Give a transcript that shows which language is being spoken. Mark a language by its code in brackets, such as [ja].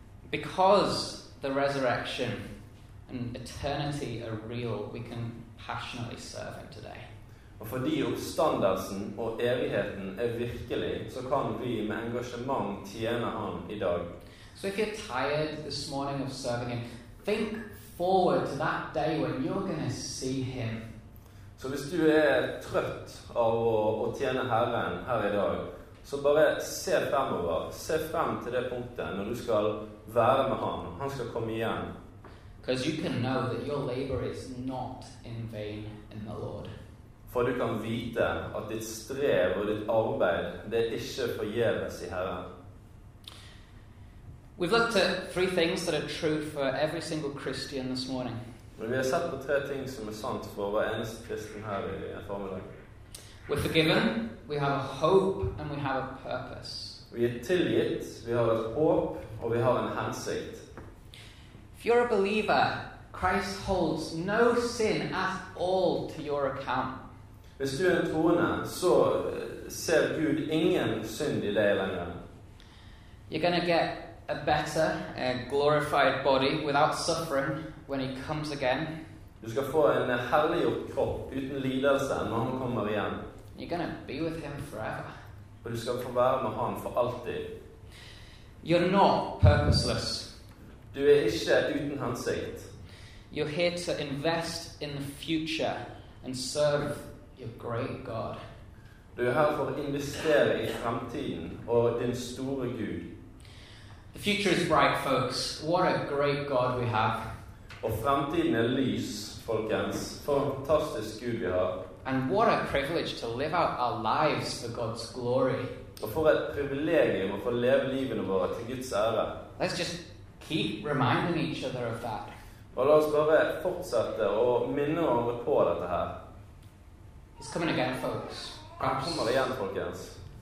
[en] Because the resurrection and eternity are real, we can passionately serve him today. [no] Og fordi oppstandelsen og evigheten er virkelig, så kan vi med engasjement tjene ham i dag. [en] So if you're tired this morning of serving him, think forward to that day when you're going to see him. [no] Så hvis du er trøtt av å tjene Herren her i dag, så bare se fremover. Se frem til det punktet når du skal være med ham. Han skal komme igjen. [en] Because you can know that your labor is not in vain in the Lord. [no] For du kan vite at ditt strev og ditt arbeid, det er ikke forgjeves i Herren. [en] We've looked at three things that are true for every single Christian this morning. [no] Vi har sett på tre ting som er sant for hver eneste kristen her i formiddag. [en] We're forgiven, we have a hope, and we have a purpose. [no] Vi er tilgitt, vi har et håp, og vi har en hensikt. [en] If you're a believer, Christ holds no sin at all to your account. [no] Hvis du er en troende, så ser Gud ingen synd i deg lenger. [en] You're gonna get a better, a glorified body without suffering when he comes again. [no] Du skal få en herliggjort kropp uten lidelse når han kommer igjen. [en] You're gonna be with him forever. [no] Og du skal få være med han for alltid. [en] You're not purposeless. [no] Du er ikke uten hensikt. [en] You're here to invest in the future and serve your great God. [no] Du er her for å investere i fremtiden og din store Gud. [en] The future is bright, folks. What a great God we have. [no] Og fremtiden er lys, folkens. Fantastisk Gud vi har. [en] And what a privilege to live out our lives for God's glory. [no] Og for et privilegium å få leve livene våre til Guds ære. [en] Let's just keep reminding each other of that. [no] Og la oss bare fortsette å minne hverandre på dette her. [en] He's coming again, folks. [no] Perhaps, han kommer igjen, folkens.